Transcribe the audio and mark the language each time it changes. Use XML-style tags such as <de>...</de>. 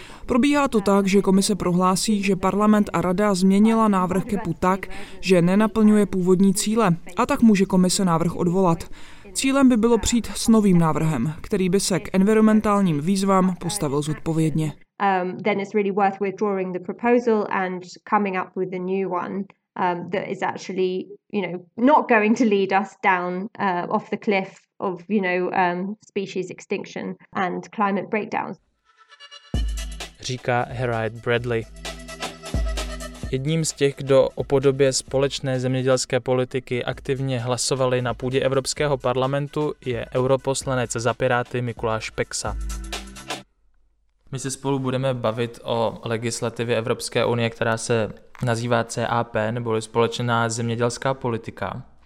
<cs>Probíhá to tak, že komise prohlásí, že parlament a rada změnila návrh KEPu tak, že nenaplňuje původní cíle, a tak může komise návrh odvolat. Cílem by bylo přijít s novým návrhem, který by se k environmentálním výzvám postavil zodpovědně.</cs> <en>Then it's really worth withdrawing the proposal and coming up with a new one. That is actually, you know, not going to lead us down off the cliff of, you know, species extinction and climate breakdowns.</en> <cs>Říká Harriet Bradley. Jedním z těch, kdo o podobě společné zemědělské politiky aktivně hlasovali na půdě Evropského parlamentu, je europoslanec za Piráty Mikuláš Peksa. My se spolu budeme bavit o legislativě Evropské unie, která se nazývá CAP, neboli Společná zemědělská politika.</cs>